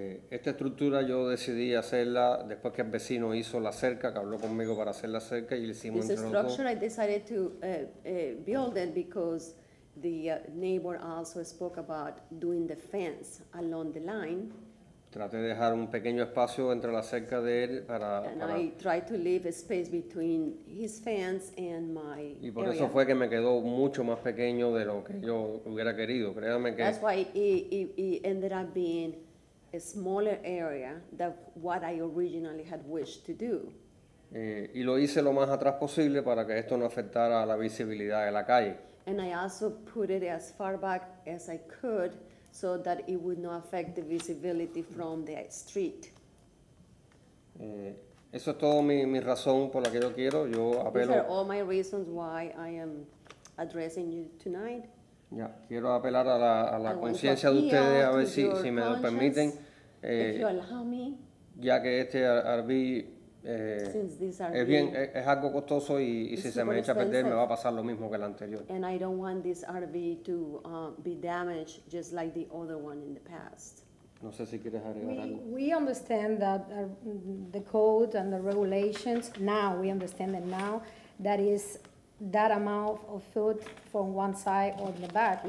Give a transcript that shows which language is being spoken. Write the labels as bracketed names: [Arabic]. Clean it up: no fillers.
[Spanish] Esta estructura yo decidí hacerla después que el vecino hizo la cerca, que habló conmigo para hacer la cerca y le hicimos entre los dos. [English] This structure I decided to build it because the neighbor also spoke about doing the fence along the line. [Spanish] Traté de dejar un pequeño espacio entre la cerca de él para... [English] And I tried to leave a space between his fence and my area. [Spanish] Y por eso fue que me quedó mucho más pequeño de lo que yo hubiera querido, créanme que... [English] That's why it ended up being a smaller area than what I originally had wished to do. [Spanish] Y lo hice lo más atrás posible para que esto no afectara la visibilidad de la calle. [English] And I also put it as far back as I could so that it would not affect the visibility from the street. [Spanish] Eso es todo mi razón por la que yo quiero. Yo apelo. [English] These are all my reasons why I am addressing you tonight. [Spanish] Ya, quiero apelar a la conciencia de ustedes a ver si me lo permiten. [English] If you allow me. [Spanish] Ya que este RV es algo costoso y si se me echa a perder me va a pasar lo mismo que el anterior. [English] And I don't want this RV to be damaged just like the other one in the past. [Spanish] No sé si quieres agregar algo. [English] We understand that the code and the regulations, now we understand that now, that is that amount of foot from one side or the back.